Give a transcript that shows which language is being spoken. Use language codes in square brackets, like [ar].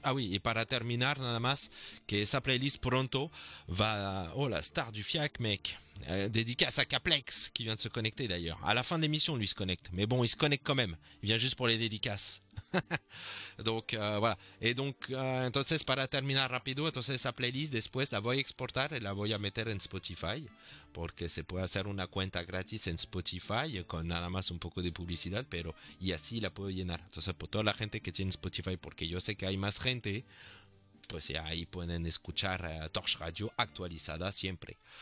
[es] Ah oui, y para terminar, nada más, que esa playlist pronto va. [fr] Oh, la star du FIAC, mec. Dédicace à Caplex, qui vient de se connecter d'ailleurs. À la fin de l'émission, lui, il se connecte. Mais bon, il se connecte quand même. Il vient juste pour les dédicaces. Donc, voilà. [es] Et donc, entonces, para terminar rapido, entonces, esa playlist, después, la voy a exportar et la voy a meter en Spotify. Porque se puede hacer una cuenta gratis en Spotify con nada más un poco de publicidad, pero. Y así la puedo llenar. Entonces, por toda la gente que tiene Spotify, porque yo sé que hay más gente, pues ahí pueden escuchar Torch Radio actualizada siempre.